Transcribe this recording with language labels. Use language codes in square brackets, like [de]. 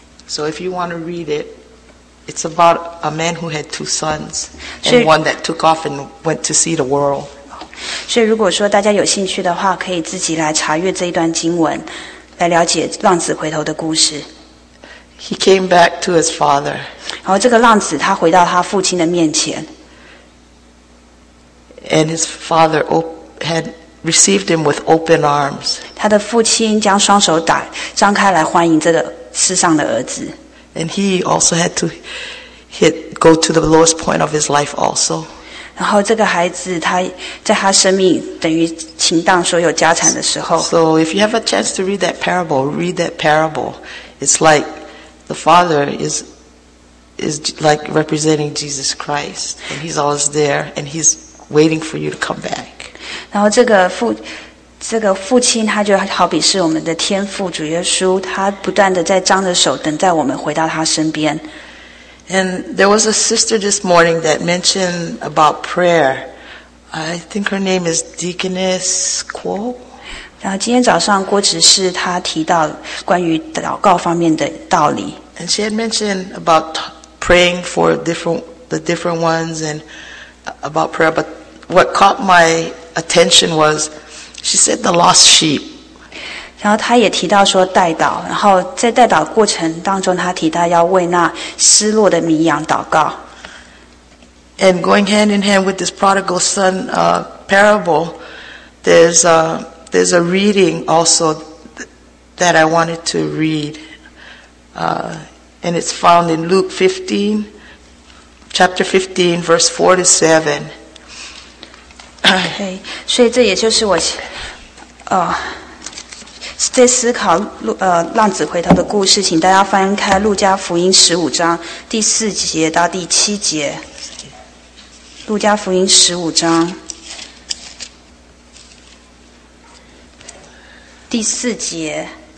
[en] So if you want to read it, it's about a man who had two sons and one that took off and went to see the world. [zh] 所以如果说大家有兴趣的话，可以自己来查阅这一段经文，来了解浪子回头的故事。 [en] He came back to his father. [zh] 然后这个浪子他回到他父亲的面前。 [en] And his father had received him with open arms. [zh] 他的父亲将双手张开来欢迎这个世上的儿子。 [en] And he also had to go to the lowest point of his life also. [zh] 然后这个孩子他在他生命等于倾荡所有家产的时候。 [en] So if you have a chance to read that parable, read that parable. It's like,The father is like representing Jesus Christ, and he's always there, and he's waiting for you to come back. [zh] 然后这个父这个父亲他就好比是我们的天父主耶稣，他不断的在张着手等待我们回到他身边。 [en] And there was a sister this morning that mentioned about prayer. I think her name is Deaconess Kuo. [zh] 然后今天早上郭执事他提到关于祷告方面的道理。 [en] And she had mentioned about praying for the different ones and about prayer. But what caught my attention was she said the lost sheep. [zh] 然后他也提到说代祷，然后在代祷过程当中，他提到要为那失落的迷羊祷告。 [en] And going hand in hand with this prodigal son parable, there's a reading also that I wanted to read, and it's found in Luke 15, chapter 15, verse 4-7. [zh] Okay, 所以这也就是我，在思考浪子回头的故事，请大家翻开路加福音十五章第四节到第七节。路加福音十五章第四节。